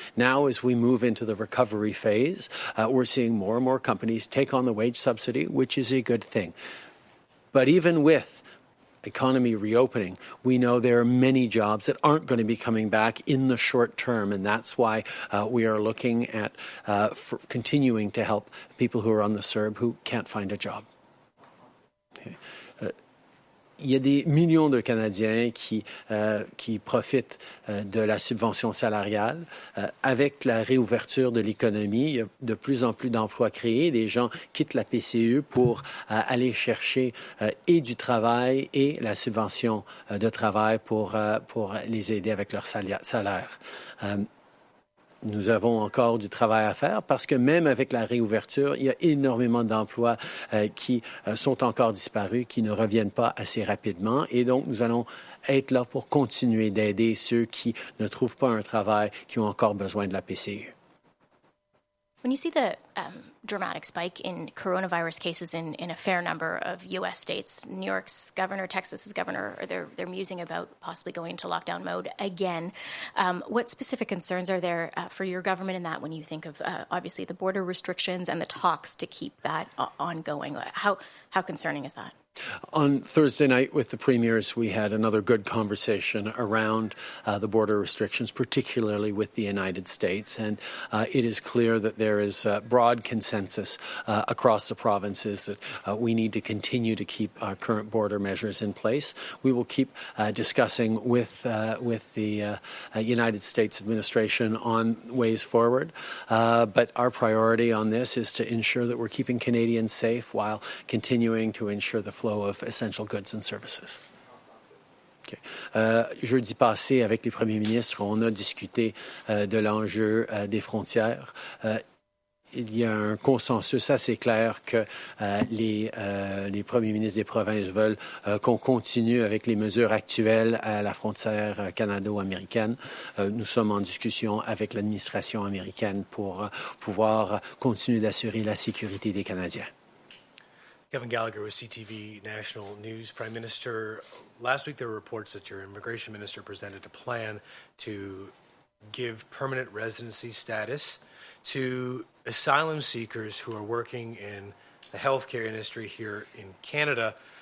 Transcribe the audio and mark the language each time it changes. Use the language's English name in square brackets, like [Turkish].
[English] Now, as we move into the recovery phase, we're seeing more and more companies take on the wage subsidy, which is a good thing. But even with economy reopening, we know there are many jobs that aren't going to be coming back in the short term, and that's why we are looking at continuing to help people who are on the CERB who can't find a job. [French] Il y a des millions de Canadiens qui profitent de la subvention salariale. Avec la réouverture de l'économie, il y a de plus en plus d'emplois créés. Des gens quittent la PCU pour aller chercher et du travail et la subvention de travail pour les aider avec leur salaire. Nous avons encore du travail à faire parce que même avec la réouverture, il y a énormément d'emplois qui sont encore disparus, qui ne reviennent pas assez rapidement. Et donc, nous allons être là pour continuer d'aider ceux qui ne trouvent pas un travail, qui ont encore besoin de la PCU. [English] When you see the dramatic spike in coronavirus cases in a fair number of U.S. states, New York's governor, Texas's governor, they're musing about possibly going into lockdown mode again. What specific concerns are there for your government in that when you think of, obviously, the border restrictions and the talks to keep that ongoing? How concerning is that? On Thursday night with the premiers, we had another good conversation around the border restrictions, particularly with the United States. And it is clear that there is broad consensus across the provinces that we need to continue to keep our current border measures in place. We will keep discussing with the United States administration on ways forward. But our priority on this is to ensure that we're keeping Canadians safe while continuing to ensure the flow of essential goods and services. Okay. [French] Jeudi passé, avec les premiers ministres, on a discuté de l'enjeu des frontières. il y a un consensus assez clair que les premiers ministres des provinces veulent qu'on continue avec les mesures actuelles à la frontière canado-américaine. Nous sommes en discussion avec l'administration américaine pour pouvoir continuer d'assurer la sécurité des Canadiens. [English] Kevin Gallagher with CTV National News. Prime Minister, last week there were reports that your immigration minister presented a plan to give permanent residency status to asylum seekers who are working in the healthcare industry here in Canada.